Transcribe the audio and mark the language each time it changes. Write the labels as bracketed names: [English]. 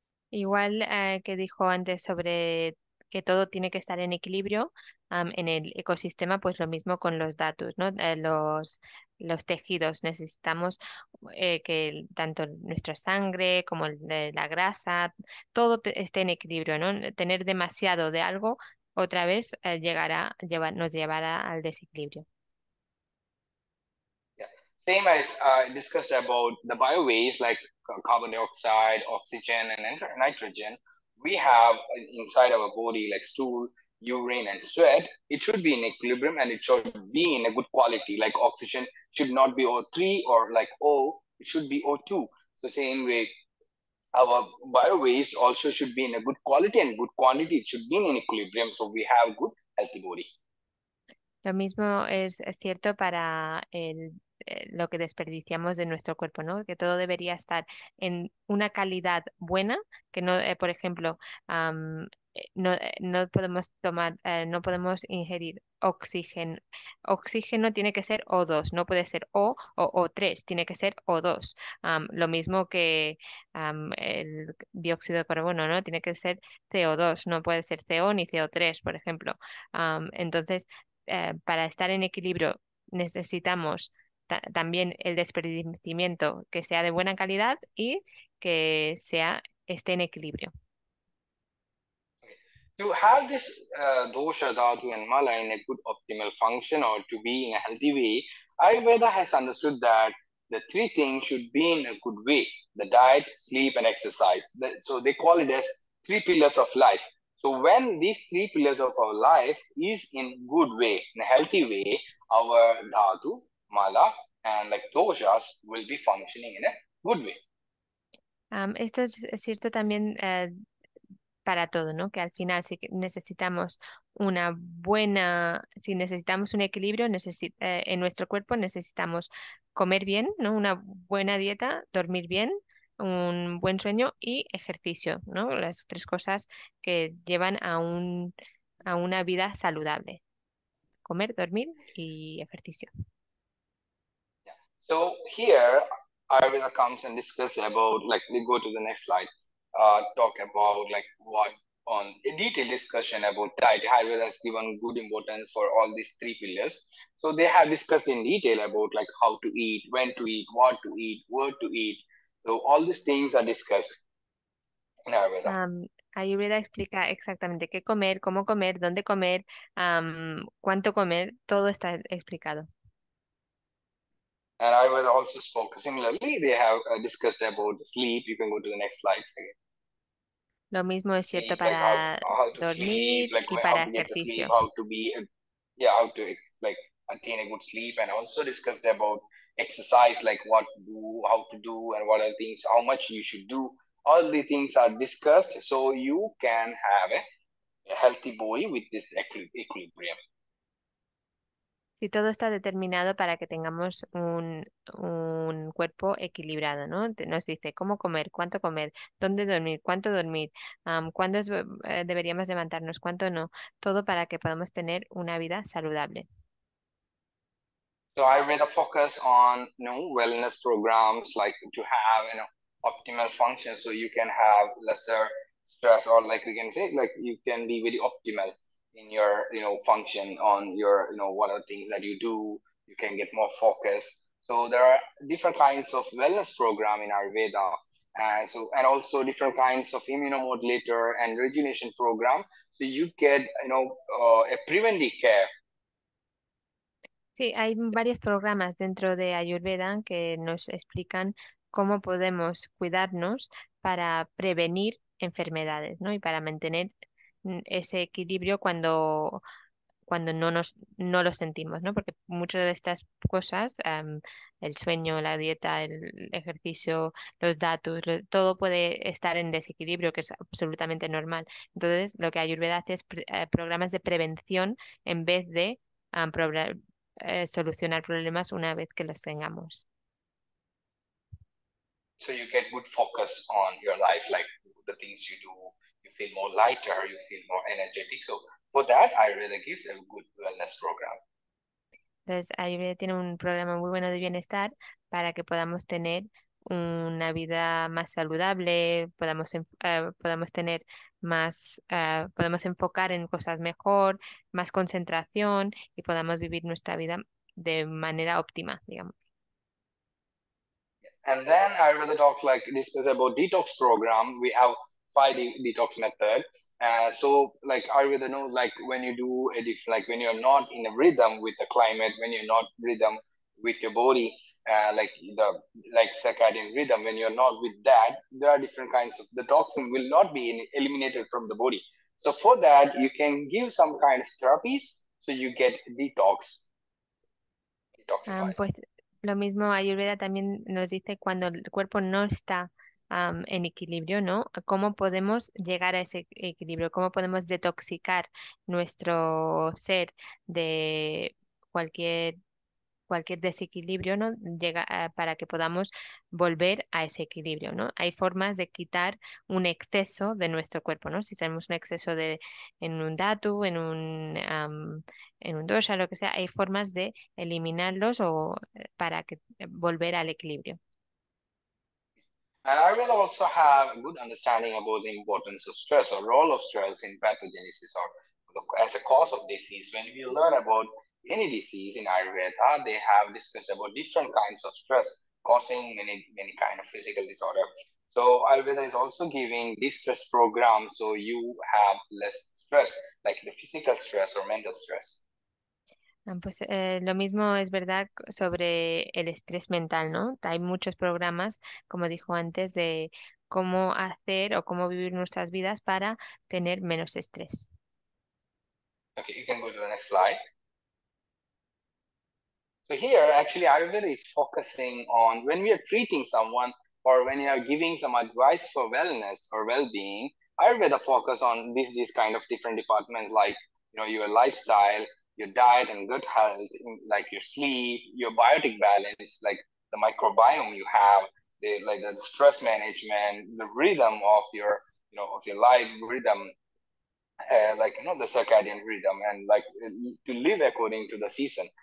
[Spanish] Igual que dijo antes sobre que todo tiene que estar en equilibrio en el ecosistema, pues lo mismo con los datos, ¿no? Los tejidos. Necesitamos que tanto nuestra sangre como la grasa, todo esté en equilibrio, ¿no? Tener demasiado de algo otra vez nos llevará al desequilibrio. [English] Same as I discussed about the bioways, like carbon dioxide, oxygen, and nitrogen, we have inside our body like stool, urine, and sweat. It should be in equilibrium and it should be in a good quality. Like oxygen should not be O3 or like O, it should be O2. So same way, our bioways also should be in a good quality and good quantity. It should be in equilibrium so we have good healthy body. [Spanish] Lo mismo es cierto para lo que desperdiciamos de nuestro cuerpo, ¿no? Que todo debería estar en una calidad buena, que no, por ejemplo, no podemos tomar, no podemos ingerir oxígeno. Oxígeno tiene que ser O2, no puede ser O o O3, tiene que ser O2. Lo mismo que el dióxido de carbono, ¿no? Tiene que ser CO2, no puede ser CO ni CO3, por ejemplo. Entonces, para estar en equilibrio necesitamos también el desperdiciamiento que sea de buena calidad y que esté en equilibrio. [English] To have this dosha, dhatu, and mala in a good optimal function or to be in a healthy way, Ayurveda has understood that the three things should be in a good way: the diet, sleep, and exercise. So they call it as three pillars of life. So when these three pillars of our life is in good way, in a healthy way, our dhatu, mala, and like doshas will be functioning in a good way. [Spanish] Esto es cierto también para todo, ¿no? Que al final si necesitamos una buena, si necesitamos un equilibrio en nuestro cuerpo, necesitamos comer bien, ¿no? Una buena dieta, dormir bien, un buen sueño y ejercicio, ¿no? Las tres cosas que llevan a una vida saludable. Comer, dormir y ejercicio. [English] So here Ayurveda comes and discusses about, like, we go to the next slide, talk about, like, what on a detailed discussion about diet. Ayurveda has given good importance for all these three pillars. So they have discussed in detail about, like, how to eat, when to eat, what to eat, where to eat. So all these things are discussed in Ayurveda. [Spanish] Ayurveda explica exactamente qué comer, cómo comer, dónde comer, cuánto comer, todo está explicado. [English] And I was also spoke similarly. They have discussed about sleep. You can go to the next slide again. [Spanish] Lo mismo es cierto para dormir y para ejercicio. [English] How to be, yeah, how to like attain a good sleep, and also discussed about exercise, like what to do, how to do, and what are things, how much you should do. All the things are discussed, so you can have a healthy body with this equilibrium. [Spanish] Si sí, todo está determinado para que tengamos un cuerpo equilibrado, ¿no? Nos dice cómo comer, dónde dormir, cuánto dormir, cuándo deberíamos levantarnos, cuánto no. Todo para que podamos tener una vida saludable. [English] So I rather focus on, you know, wellness programs, like to have, you know, optimal function, so you can have lesser stress, or like we can say, like you can be very optimal in your, you know, function on your, you know, what are the things that you do, you can get more focus. So there are different kinds of wellness program in Ayurveda, and also different kinds of immunomodulator and rejuvenation program, so you get, you know, a preventive care. [Spanish] Sí, hay varios programas dentro de Ayurveda que nos explican cómo podemos cuidarnos para prevenir enfermedades, ¿no? Y para mantener ese equilibrio cuando cuando no lo sentimos, ¿no? Porque muchas de estas cosas, el sueño, la dieta, el ejercicio, los datos, todo puede estar en desequilibrio, que es absolutamente normal. Entonces, lo que Ayurveda hace es programas de prevención en vez de solucionar problemas una vez que los tengamos. [English] So you get good focus on your life, like the things you do, you feel more lighter, you feel more energetic. So for that, Ayurveda gives a good wellness program. [Spanish] Entonces, Ayurveda tiene un programa muy bueno de bienestar para que podamos tener una vida más saludable, podamos enfocar en cosas mejor, más concentración y podamos vivir nuestra vida de manera óptima, digamos. [English] And then Ayurveda talks like this is about detox program. We have 5 detox methods. So like Ayurveda knows like when you do a like when you're not in a rhythm with the climate, when you're not rhythm with your body, like circadian rhythm, when you're not with that, there are different kinds of the toxin will not be eliminated from the body. So for that, you can give some kind of therapies so you get detoxified. [Spanish] Lo mismo Ayurveda también nos dice cuando el cuerpo no está en equilibrio, ¿no? ¿Cómo podemos llegar a ese equilibrio? ¿Cómo podemos detoxicar nuestro ser de cualquier desequilibrio, ¿no? Para que podamos volver a ese equilibrio, ¿no? Hay formas de quitar un exceso de nuestro cuerpo, ¿no? Si tenemos un exceso en un datu, en un dosha, lo que sea, hay formas de eliminarlos o para que volver al equilibrio. [English] And I will also have a good understanding about the importance of stress or role of stress in pathogenesis or as a cause of disease. When we learn about any disease in Ayurveda, they have discussed about different kinds of stress causing many kind of physical disorder. So Ayurveda is also giving distress program so you have less stress, like the physical stress or mental stress. [Spanish] Pues lo mismo es verdad sobre el estrés mental, ¿no? Hay muchos programas, como dijo antes, de cómo hacer o cómo vivir nuestras vidas para tener menos estrés. [English] Okay, you can go to the next slide. So here, actually, Ayurveda is focusing on when we are treating someone or when you are giving some advice for wellness or well-being, Ayurveda focus on these kind of different departments like, you know, your lifestyle, your diet and good health, like your sleep, your biotic balance, like the microbiome you have, like the stress management, the rhythm of your, you know, of your life rhythm, like, you know, the circadian rhythm and like to live according to the season.